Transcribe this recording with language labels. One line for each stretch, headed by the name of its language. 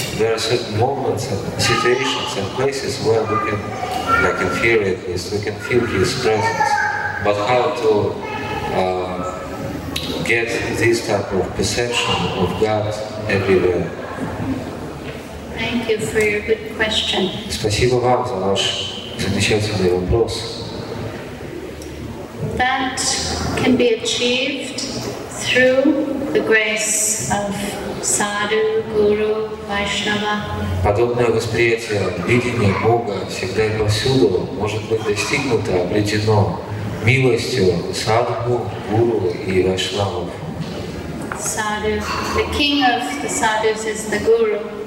English: There are certain moments and situations and places where we can, like in theory at least, we can feel His presence. But how to get this type of perception of God everywhere? Thank you for your good question.
Russian: Спасибо вам за ваш замечательный вопрос.
English: That can be achieved through the grace of Sadhu, Guru, Vaishnava.
Russian: Подобное восприятие, видение Бога всегда и повсюду может быть достигнуто, обретено милостью садху, гуру и вайшнавов.
English: Sadhu, the king of the sadhus is the guru.